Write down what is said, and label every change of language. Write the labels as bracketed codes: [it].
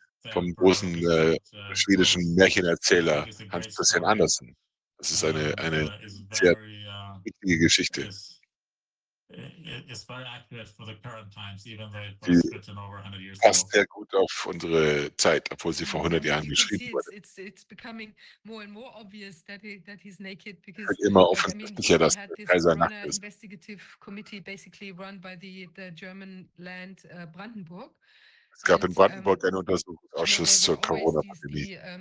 [de] Vom großen schwedischen Märchenerzähler Hans Christian Andersen. Das ist eine sehr wichtige Geschichte. [en] is very accurate for the current times, even though it was written over 100 years ago. [de] Passt sehr gut auf unsere Zeit, obwohl sie vor 100 Jahren geschrieben wurde. [en] It's becoming more and more obvious that he's naked because. [de] Halt immer offensichtlicher, dass der Kaiser nackt ist. [en] Investigative committee basically run by the German land Brandenburg. [de] Es gab in Brandenburg einen Untersuchungsausschuss zur Corona-Pandemie.